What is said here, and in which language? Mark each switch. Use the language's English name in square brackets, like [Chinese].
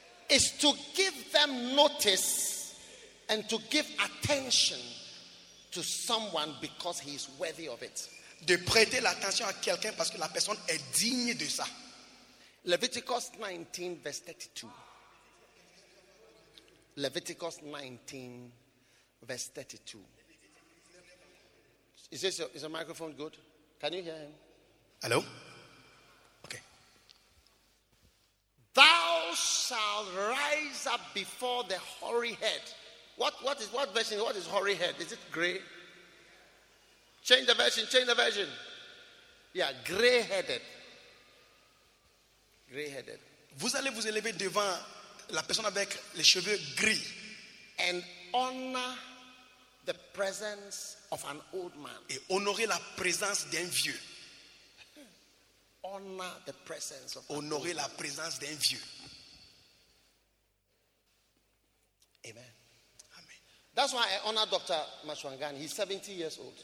[English] is to give them notice and to give attention to someone because he is worthy of it. [French] De prêter l'attention à quelqu'un parce que la personne est digne de ça. [English] Leviticus 19 verse 32. Leviticus 19 verse 32. Is the microphone good? Can you hear him? Hello? Okay. Thou shalt rise up before the hoary head. What version? What is hoary head? Is it gray? Change the version. Yeah, gray-headed. Gray-headed. [French] Vous allez vous élever devant la personne avec les cheveux gris. [English] And honor the presence of an old man. [French] Et honorer la présence d'un vieux. [English] Honor the presence of [French] honorer la présence d'un vieux. [English] Amen. That's why I honor Dr. Machwangan. He's 70 years old.